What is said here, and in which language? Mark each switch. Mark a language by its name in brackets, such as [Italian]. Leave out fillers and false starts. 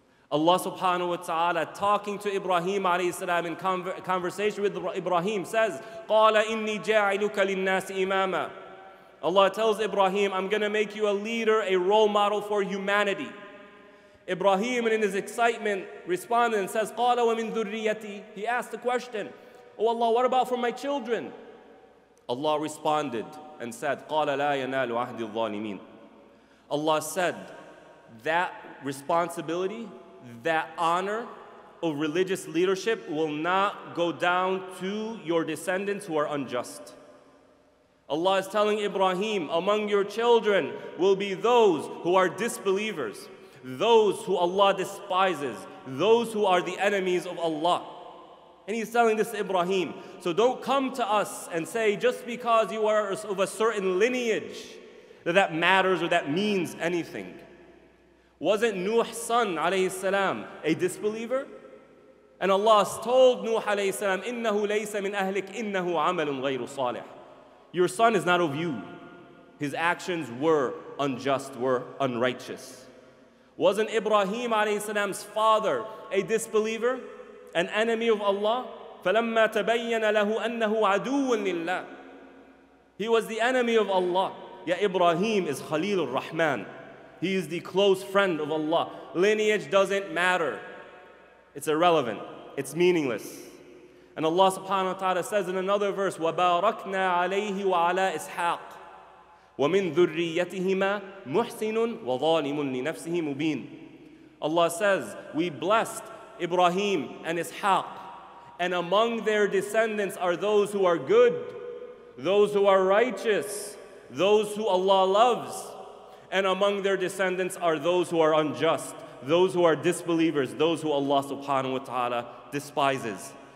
[English] Allah subhanahu wa ta'ala, talking to Ibrahim alayhi salam in conversation with Ibrahim, says, [Arabic] قَالَ إِنِّي جَاعِلُكَ لِلنَّاسِ إِمَامًا. [English] Allah tells Ibrahim, I'm going to make you a leader, a role model for humanity. Ibrahim, in his excitement, responded and says, [Arabic] قَالَ وَمِن ذُرِّيَّتِي. [English] He asked the question, oh Allah, what about for my children? Allah responded and said, [Arabic] قَالَ لَا يَنَالُ عَهْدِ الظَّالِمِينَ. [English] Allah said, that responsibility, that honor of religious leadership will not go down to your descendants who are unjust. Allah is telling Ibrahim, among your children will be those who are disbelievers, those who Allah despises, those who are the enemies of Allah. And he's telling this to Ibrahim, so don't come to us and say, just because you are of a certain lineage, that that matters or that means anything. Wasn't Nuh's son, alayhi salam, a disbeliever? And Allah told Nuh, alayhi salam, [Arabic] إِنَّهُ لَيْسَ مِنْ أَهْلِكَ إِنَّهُ عَمَلٌ غَيْرُ صَالِحٌ. [English] Your son is not of you. His actions were unjust, were unrighteous. Wasn't Ibrahim, alayhi salam's father, a disbeliever? An enemy of Allah? [Arabic] فَلَمَّا تَبَيَّنَ لَهُ أَنَّهُ عَدُوٌ لِلَّهِ. [English] He was the enemy of Allah. Yet Ibrahim is Khalil al-Rahman. He is the close friend of Allah. Lineage doesn't matter. It's irrelevant. It's meaningless. And Allah subhanahu wa ta'ala says in another verse, [Arabic] وَبَارَكْنَا عَلَيْهِ وَعَلَىٰ إِسْحَاقِ وَمِنْ ذُرِّيَّتِهِمَا مُحْسِنٌ وَظَالِمٌ لِنَفْسِهِ مُبِينٌ. [English] Allah says, we blessed Ibrahim and Ishaq, and among their descendants are those who are good, those who are righteous, those who Allah loves. And among their descendants are those who are unjust, those who are disbelievers, those who Allah subhanahu wa ta'ala despises.